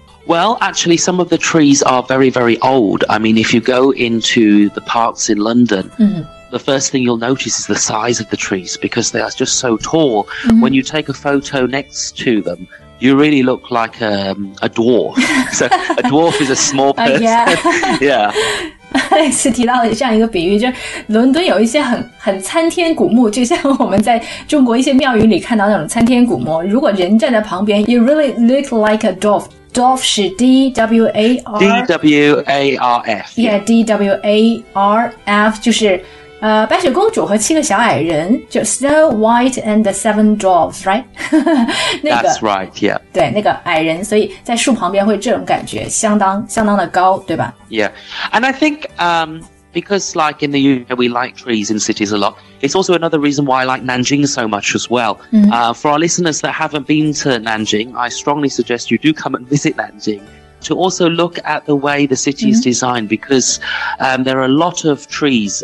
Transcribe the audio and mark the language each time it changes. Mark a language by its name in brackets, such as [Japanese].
[English] Well, actually, some of the trees are very, very old. I mean, if you go into the parks in London,The first thing you'll notice is the size of the trees because they are just so tall. When you take a photo next to them, you really look like a dwarf. So a dwarf is a small person. Yeah. [Chinese] 是提到了这样一个比喻，就伦敦有一些很参天古墓，就像我们在中国一些庙宇里看到那种参天古墓。如果人站在旁边 ， [English] you really look like a dwarf. [Chinese] Dwarf 是 [English] dwarf. [Chinese] Yeah, dwarf 就是。白雪公主和七个小矮人就 [English] Snow White and the Seven Dwarfs, right? [Chinese] 、那个、 [English] That's right, yeah. [Chinese] 对那个矮人所以在树旁边会这种感觉相当的高对吧 [English] Yeah, and I think, because like in the UK we like trees in cities a lot, it's also another reason why I like Nanjing so much as well. For our listeners that haven't been to Nanjing, I strongly suggest you do come and visit Nanjing. To also look at the way the city is designed, because there are a lot of trees.